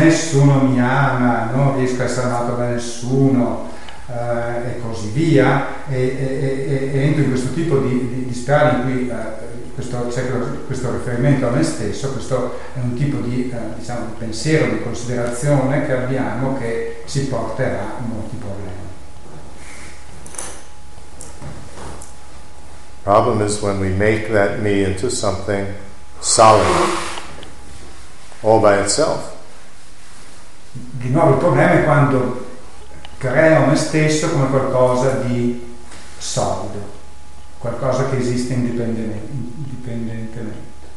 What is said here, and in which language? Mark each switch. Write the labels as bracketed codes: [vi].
[it] nessuno mi ama, non riesco a essere amato da nessuno, e così via, e entro in questo tipo di spirale in cui questo riferimento a me stesso, questo è un tipo di diciamo di pensiero, di considerazione che abbiamo, che ci porterà a molti problemi. [en] Problem is when we make that me into something solid all by itself. [it] Di nuovo, il problema è quando creo me stesso come qualcosa di solido, qualcosa che esiste indipendentemente.